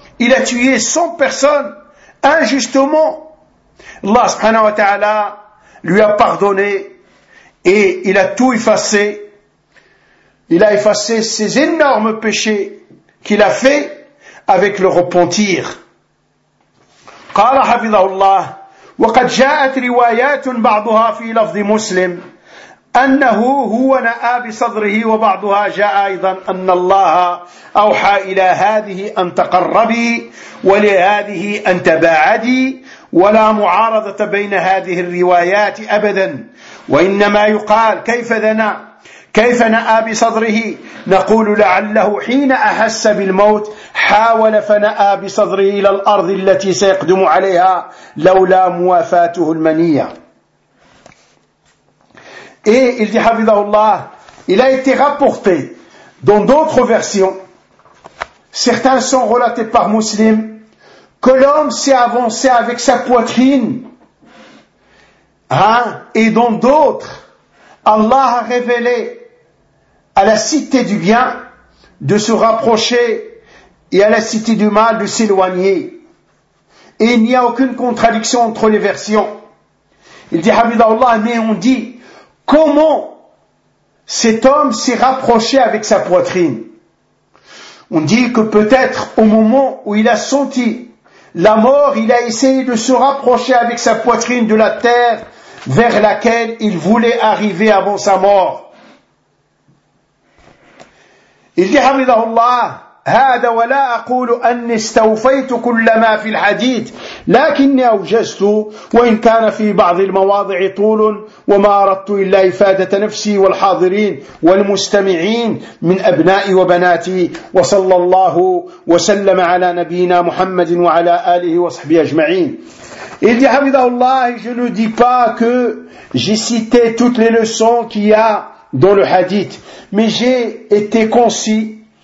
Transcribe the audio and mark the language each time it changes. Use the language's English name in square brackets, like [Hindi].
[French] Il a tué 100 personnes, injustement. Allah subhanahu wa ta'ala lui a pardonné, et il a tout effacé. Il a effacé ces énormes péchés qu'il a fait avec le repentir. [Arabic] قال حفظه الله وقد جاءت روايات بعضها في لفظ مسلم أنه هو نأى بصدره وبعضها جاء أيضا أن الله أوحى إلى هذه أن تقربي ولهذه أن تباعدي ولا معارضة بين هذه الروايات أبدا وإنما يقال كيف ذنى كيف نأى بصدره نقول لعله حين أحس بالموت حاول فنأى بصدره إلى الأرض التي سيقدم عليها لولا موافاته المنية. [French] Et il dit, Hafidhahullah, il a été rapporté dans d'autres versions, certains sont relatés par Muslim, que l'homme s'est avancé avec sa poitrine, hein, et dans d'autres, Allah a révélé à la cité du bien de se rapprocher et à la cité du mal de s'éloigner. Et il n'y a aucune contradiction entre les versions. Il dit, Hafidhahullah, mais on dit, comment cet homme s'est rapproché avec sa poitrine? On dit que peut-être au moment où il a senti la mort, il a essayé de se rapprocher avec sa poitrine de la terre vers laquelle il voulait arriver avant sa mort. Il dit, Hamidahullah, [Arabic] هذا ولا أقول أني استوفيت كل ما في الحديث لكني أوجزت وإن كان في بعض المواضع طول وما أردت إلا إفادة نفسي والحاضرين والمستمعين من أبنائي وبناتي وصلى الله وسلم على نبينا محمد وعلى آله وصحبه أجمعين. [French] Il dit, Hamidahullah, je ne dis pas que j'ai cité toutes les leçons qu'il y a dans le hadith, mais j'ai été concis.